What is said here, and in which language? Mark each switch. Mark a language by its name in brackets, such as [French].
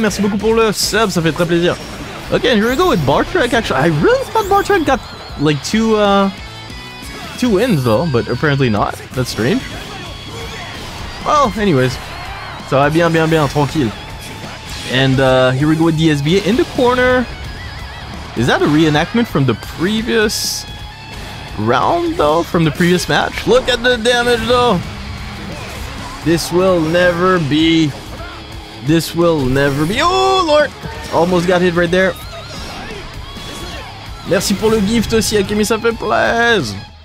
[French] Merci beaucoup pour le sub, ça fait très plaisir. [English] Okay, here we go with Barutorekku, actually. I really thought Barutorekku got, like, two wins, though, but apparently not. That's strange. Well, anyways. [French] Ça va bien, bien, bien, tranquille. [English] And here we go with the SBA in the corner. Is that a reenactment from the previous round, though, from the previous match? Look at the damage, though. This will never be. Oh, Lord. Almost got hit right there. [French] Merci pour le gift aussi, Akemi, ça fait plaisir.